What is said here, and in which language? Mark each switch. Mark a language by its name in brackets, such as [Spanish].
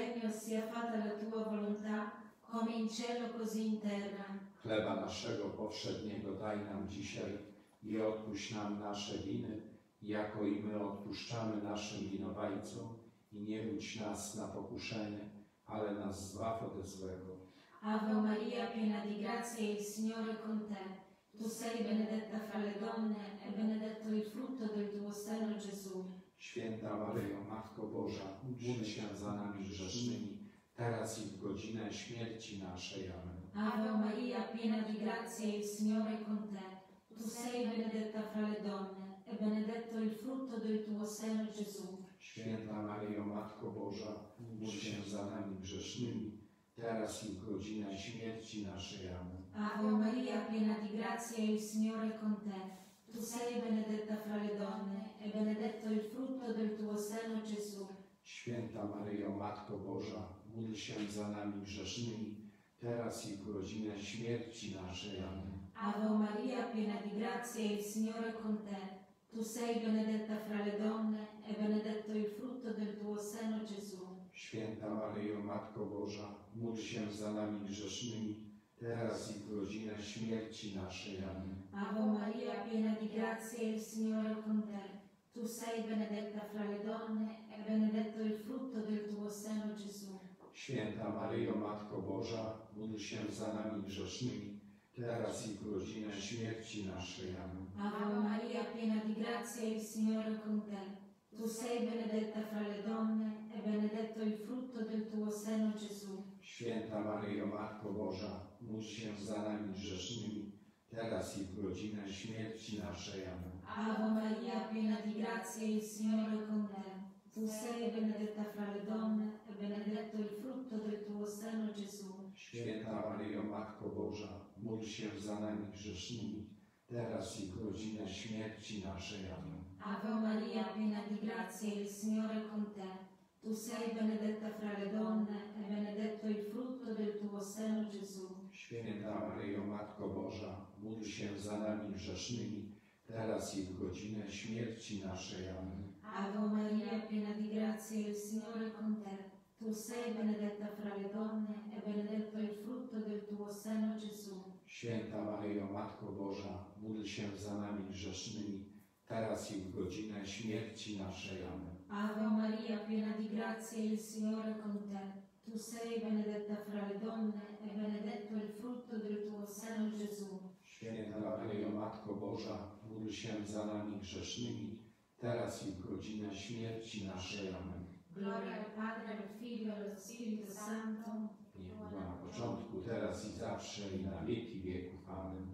[Italian] sia fatta la Tua volontà, come in cielo, così in terra. [Polish] Chleba naszego powszedniego daj nam dzisiaj i odpuść nam nasze winy, jako i my odpuszczamy naszym winowajcom. I nie wódź nas na pokuszenie, ale nas zbaw ode złego. [Italian] Ave Maria, piena di grazia, il Signore con te. Tu sei benedetta fra le donne e benedetto il frutto del tuo seno, Gesù. [Polish] Święta Maryjo, Matko Boża, módl się za nami grzesznymi, teraz i w godzinę śmierci naszej. Amen. [Italian] Ave Maria, piena di grazia, il Signore con te. Tu sei benedetta fra le donne e benedetto il frutto del tuo seno, Gesù. [Polish] Święta Maryjo, Matko Boża, módl się za nami grzesznymi, teraz i w godzinę śmierci naszej. Amen. [Italian] Ave Maria, piena di grazia, il Signore con te. Tu sei benedetta fra le donne e benedetto il frutto del tuo seno, Gesù. [Polish] Święta Maryjo, Matko Boża, módl się za nami grzesznymi, teraz i w godzinę śmierci naszej. Amen. [Italian] Ave Maria, piena di grazia, il Signore con te. Tu sei benedetta fra le donne e benedetto il frutto del tuo seno, Gesù. [Polish] Święta Maryjo, Matko Boża, módl się za nami grzesznymi, teraz i w godzinę śmierci naszej. Amen. [Italian] Ave Maria, piena di grazia, il Signore con te. Tu sei benedetta fra le donne e benedetto il frutto del tuo seno, Gesù. [Polish] Święta Maryjo, Matko Boża, módl się za nami grzesznymi, teraz i w godzinę śmierci naszej. Amen. [Italian] Ave Maria, piena di grazia, il Signore con te. Tu sei benedetta fra le donne e benedetto il frutto del tuo seno, Gesù. [Polish] Święta Maryjo, Matko Boża, módl się za nami grzesznymi, teraz i w godzinę śmierci naszej. Amen. [Italian] Ave Maria, piena di grazia, il Signore con te. Tu sei benedetta fra le donne e benedetto il frutto del tuo seno, Gesù. [Polish] Święta Maryjo, Matko Boża, módl się za nami grzesznymi, teraz i w godzinę śmierci naszej. Amen. [Italian] Ave Maria, piena di grazia, il Signore con te. Tu sei benedetta fra le donne e benedetto il frutto del tuo seno, Gesù. [Polish] Święta Maryjo, Matko Boża, módl się za nami grzesznymi, teraz i w godzinę śmierci naszej. Amen. [Italian] Ave Maria, piena di grazia, il Signore con te. Tu sei benedetta fra le donne e benedetto il frutto del tuo seno, Gesù. [Polish] Święta Maryjo, Matko Boża, módl się za nami grzesznymi, teraz i w godzinę śmierci naszej. Amen. [Italian] Ave Maria, piena di grazia, il Signore con te. Tu sei benedetta fra le donne e benedetto il frutto del tuo seno, Gesù. [Polish] Święta Maryjo, Matko Boża, módl się za nami grzesznymi, teraz i w godzinę śmierci naszej. Amen. [Italian] Gloria al Padre, al Figlio, allo Spirito Santo. [Polish] Była na początku, teraz i zawsze, i na wieki wieków. Amen.